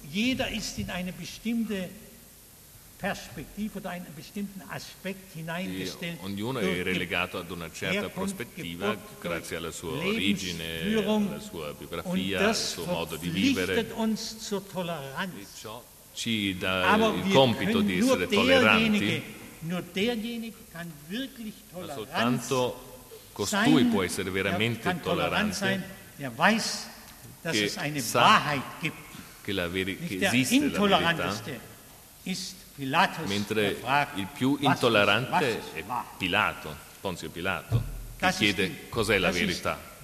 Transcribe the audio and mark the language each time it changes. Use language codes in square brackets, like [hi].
[de] Jeder ist in eine bestimmte Perspektive oder einen bestimmten Aspekt hineingestellt. [it] Ognuno è relegato ad una certa prospettiva grazie alla sua origine, alla sua biografia, al suo modo di vivere. [de] Und das verpflichtet uns zur Toleranz. [it] Ciò ci dà il compito di essere tolleranti. [de] Nur derjenige kann wirklich tolerant sein. [it] Soltanto costui può essere veramente tollerante. [de] Der weiß, dass es eine Wahrheit gibt. [it] Che la esiste la verità. [de] Pilatus, [it] mentre il più intollerante è Pilato, Ponzio Pilato, che chiede cos'è la verità.